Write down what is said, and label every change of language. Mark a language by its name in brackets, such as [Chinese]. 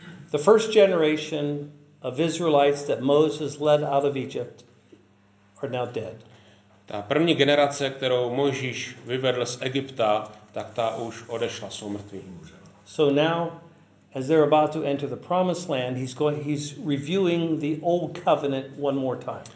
[English] The first generation of Israelites that Moses led out of Egypt are now dead. [Czech] Ta první generace, kterou Mojžíš vyvedl z Egypta, tak ta už odešla, jsou mrtví. [English] So now, as they're about to enter the promised land, he's reviewing the old covenant one more time.